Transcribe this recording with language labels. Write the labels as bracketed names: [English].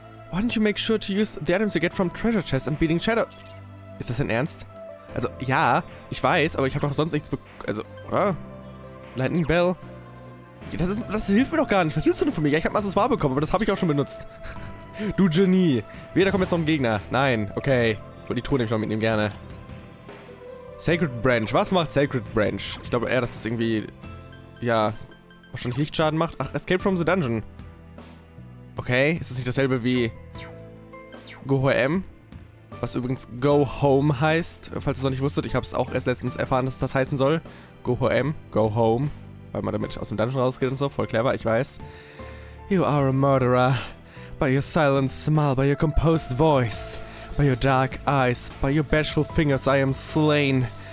[English] Why don't you make sure to use the items you get from treasure chests and beating shadow? [German] Ist das denn ernst? Also, ja, ich weiß, aber ich habe doch sonst nichts also, oder? Lightning Bell. Das hilft mir doch gar nicht. Was willst du denn von mir? Ja, ich habe mal Accessoire bekommen, aber das habe ich auch schon benutzt. Du Genie. Wie, da kommt jetzt noch ein Gegner. Nein, okay. Und die Truhe nehme ich noch mitnehmen, gerne. Sacred Branch. Was macht Sacred Branch? Ich glaube eher, dass es irgendwie, ja, wahrscheinlich Lichtschaden macht. Ach, [English] Escape from the Dungeon. [German] Okay, ist das nicht dasselbe wie GoHM? Was übrigens Go Home heißt. Falls ihr es noch nicht wusstet, ich habe es auch erst letztens erfahren, dass das heißen soll. GoHM, Go Home. Weil man damit aus dem Dungeon rausgeht und so. Voll clever, ich weiß. [English] You are a murderer. By your silent smile, by your composed voice. By your dark eyes, by your bashful fingers, I am slain.